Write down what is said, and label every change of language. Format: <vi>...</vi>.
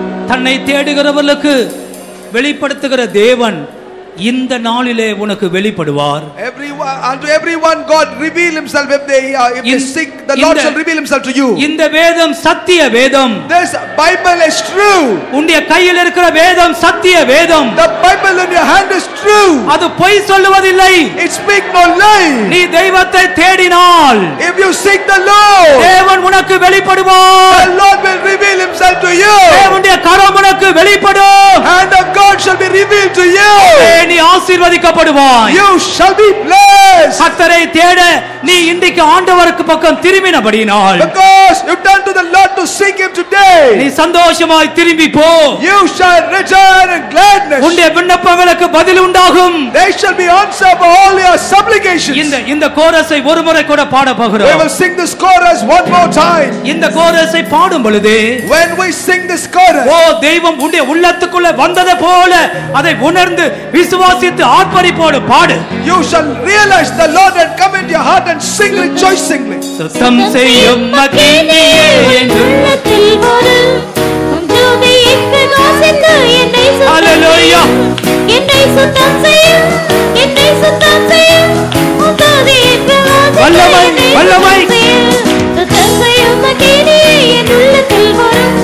<ta>தன்னை தேடுகிறவர்களுக்கு வெளிப்படுத்துகிற தேவன் இந்த நாளிலே உனக்கு வெளிப்படுவார்.</ta> <en>Everyone God reveal himself if they seek the Lord shall reveal himself to you.</en> <ta>இந்த வேதம் சத்திய வேதம்.</ta> <en>This Bible is true.</en> <ta>உன்னுடைய கையில் இருக்கிற வேதம் சத்திய வேதம்.</ta> <en>The Bible in your hand is true.</en> <ta>அது பொய் சொல்லுவதில்லை.</ta> <en>It speak no lie.</en> <ta>நீ தேவனை தேடினால்</ta> <en>if you seek the Lord</en> <ta>தேவன் உனக்கு வெளிப்படுவார்.</ta> <en>The Lord will reveal himself to you.</en> <ta>தேவனுடைய கரம் உனக்கு வெளிப்படும்.</ta> <en>And the God shall be revealed to you.</en> <ta>நீ ஆசீர்வதிக்கப்படுவாய்.</ta> <en>You shall be blessed.</en> <ta>கர்த்தரை தேட நீ இன்றைக்கு ஆண்டவருக்கு பக்கம் திரும்பினபடியால்</ta> <en>because you turn to the Lord to seek him today.</en> <ta>நீ சந்தோஷமாய் திரும்பி போ.</ta> <en>You shall return in gladness.</en> <ta>உன்னுடைய விண்ணப்பங்களுக்கு பதில் உண்டாகும்.</ta> <en>They shall be answered for all your supplications.</en> <ta>இந்த கோரஸை ஒருமுறை கூட பாட போகிறோம்.</ta> <en>We will sing this chorus one more time.</en> <ta>இந்த கோரஸை பாடும் பொழுது</ta> <en>when we sing this chorus</en> <ta>ஓ தேவன் உன்னுடைய உள்ளத்துக்குள்ள வந்ததே போல அதை உணர்ந்து விசுவாசித்து ஆர்ப்பரிப்போடு பாடு.</ta> <en>You shall realize the Lord had come into your heart and sing rejoicingly.</en> <ta>சத்தம் செய்யும் மகிமையே என் உள்ளத்தில் வரு. உம்முடைய விசுவாசித்து என்னை சுத்தம் செய்யும். ஹல்லேலூயா. என்னை சுத்தம் செய்யும். என்னை சுத்தம் செய்யும். உம்முடைய விசுவாசித்து வல்லமை வல்லமை சத்தம் செய்யும் மகிமையே என் உள்ளத்தில் வரு.</ta>